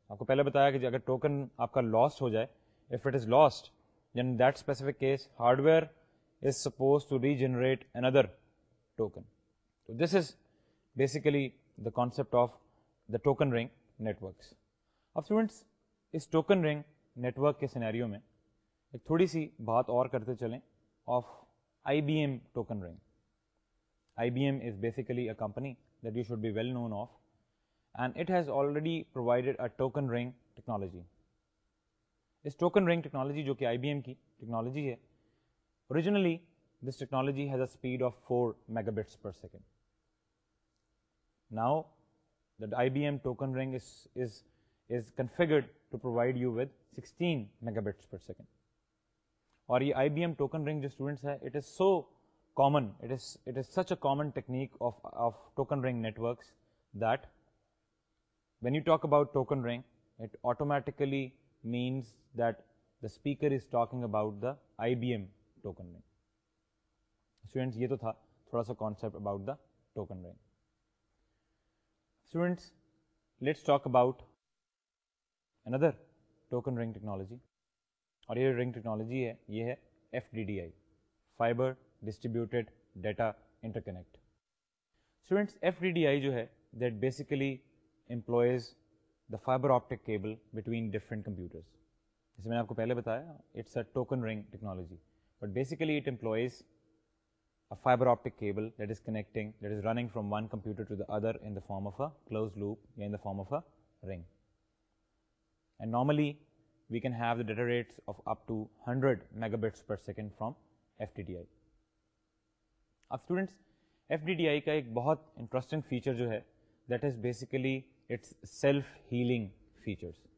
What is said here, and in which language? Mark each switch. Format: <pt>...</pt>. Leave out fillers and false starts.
<ur>آپ کو پہلے بتایا کہ اگر ٹوکن آپ کا لاسٹ ہو جائے</ur> <en>If it is lost then that specific case hardware is supposed to regenerate another token. تو this is basically the concept of the token ring network.</en> <ur>اب اسٹوڈنٹس اس ٹوکن رنگ نیٹ ورک کے scenario میں ایک تھوڑی سی بات اور کرتے چلیں</ur> <en>Of I B M token ring. I B M is basically a company that you should be well known of and it has already provided a token ring technology.</en> <ur>اس token ring technology جو کہ آئی B M کی technology ہے</ur> <en>Originally this technology has a speed of 4 megabits per second. Now that I B M token ring is configured to provide you with 16 megabits per second.</en> <ur>Aur ye IBM token ring jo students hai,</ur> <en>it is so common, it is such a common technique of token ring networks that when you talk about token ring, it automatically means that the speaker is talking about the IBM token ring. Students,</en> <ur>ye to tha thoda sa</ur> <en>concept about the token ring. Students, let's talk about another token ring technology.</en> <ur>اور یہ رنگ technology ہے یہ ہے F D D I fibre distributed data enter connect.</ur> <en>Students F D D I جو ہے that basically employs the fibre optic cable between different computers.</en> <ur>جیسے میں نے آپ کو پہلے بتایا</ur> <en>It's a token ring technology but basically it employs a fibre optic cable that is connecting that is running from one computer to the other in the form of a close loop یا in the form of a ring. And normally, we can have the data rates of up to 100 megabits per second from FTDI. Now students,</en> <ur>FTDI ka ek bahut interesting feature jo hai,</ur> <en>that is basically its self-healing features.</en>